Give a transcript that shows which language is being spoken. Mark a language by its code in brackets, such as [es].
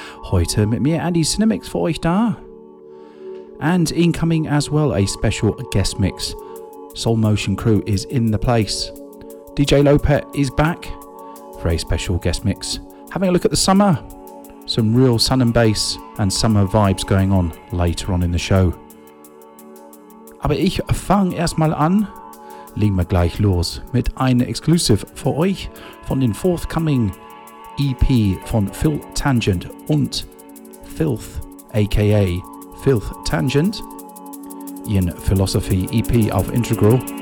[de] Heute mit mir Andy Cinemix für euch da. [en] And incoming as well, a special guest mix. Soul Motion Crew is in the place. DJ Lopez is back for a special guest mix. Having a look at the summer, some real sun and bass and summer vibes going on later on in the show. [de] Aber ich fang erstmal an. Legen wir gleich los mit einer Exclusive für euch von den forthcoming EP von Phil Tangent und Filth, aka Filth Tangent, ihren Philosophy EP auf Integral.